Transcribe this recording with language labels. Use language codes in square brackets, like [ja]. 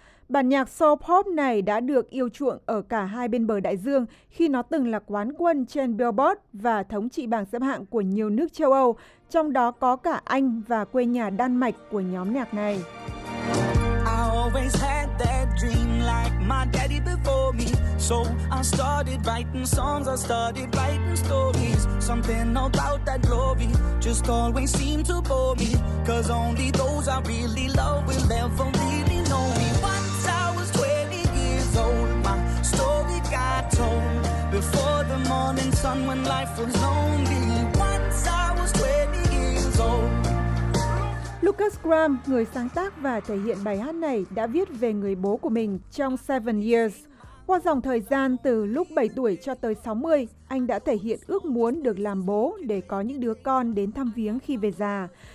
[vi] Bản nhạc soul pop này đã được yêu chuộng ở cả hai bên bờ đại dương khi nó từng là quán quân trên Billboard và thống trị bảng xếp hạng của nhiều nước châu Âu, trong đó có cả Anh và quê nhà Đan Mạch của nhóm nhạc này. [en] So I started writing songs, I started writing stories. Something about that glory just always seemed to bore me. Cause only those I really love will ever really know me. Once I was 20 years old, my story got told. Before the morning sun when life was lonely. Once I was 20 years old. [vi] Lucas Graham, người sáng tác và thể hiện bài hát này, đã viết về người bố của mình trong Seven Years. Qua dòng thời gian từ lúc 7 tuổi cho tới 60, anh đã thể hiện ước muốn được làm bố để có những đứa con đến thăm viếng khi về già.